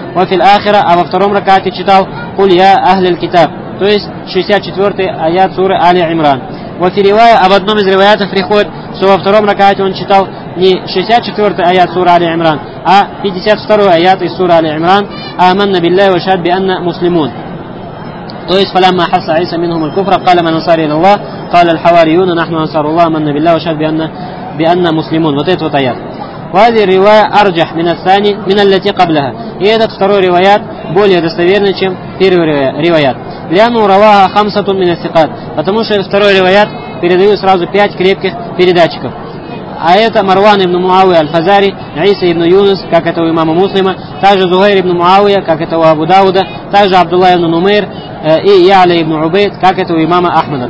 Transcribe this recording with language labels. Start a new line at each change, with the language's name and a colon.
Arabic: «Ва филь ахира»,
Russian: а во втором ракате читал
Arabic: «Куль я ахлил китаб».
Russian: То есть 64 аят суры Али Имран.
Arabic: «Ва филивая»,
Russian: об одном из ревоятов приходит, что во втором ракате он читал не 64 аят суры Али Имран, а 52 аят из суры Али Имран.
Arabic: «Аманна биллах ва шад би анна муслимун».
Russian: То есть
Arabic: فلما حس عيسى منهم الكفر قال من انصار الى الله قال الحواريون نحن انصار الله من بالله وشهد بان مسلمون.
Russian: Вот это вот аят.
Arabic: وهذه الرواية ارجح من الثاني من التي قبلها.
Russian: И этот второй روايات более достоверный, чем первый روايات.
Arabic: لانه رواها خمسة من الثقات.
Russian: Потому что второй روايات передают сразу пять крепких передатчиков. А это Марван ибн Муавия аль-Фазари, Иса ибн Юнус, как это у имама Муслима, также Зугайр ибн Муавия, как это у Абу Дауда, также Абдулла ибн Нумейр и Яля ибн Убейд, как это у имама Ахмада.